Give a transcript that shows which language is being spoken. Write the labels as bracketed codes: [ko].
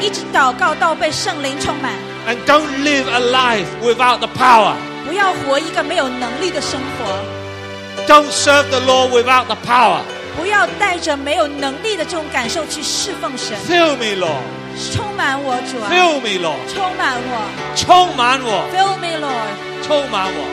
[zh] 一直祷告到被圣灵充满 [en] and don't live a life without the power. [zh] 不要活一个没有能力的生活。 [en] Don't serve the Lord without the power. [zh] 不要带着没有能力的这种感受去侍奉神。 [en] Fill me, Lord. [zh] 充满我，主啊。 [en] Fill me, Lord. [zh] 充满我。充满我。 [en] Fill me, Lord. [zh] 充满我。